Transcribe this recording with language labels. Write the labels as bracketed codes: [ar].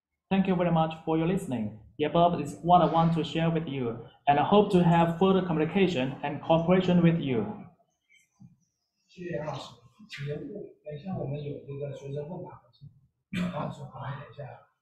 [en] Thank you very much for your listening. The above is what I want to share with you, and I hope to have further communication and cooperation with you. [zh] 谢谢老师，请留步。等一下，我们有这个学生问答环节，老师好，等一下啊。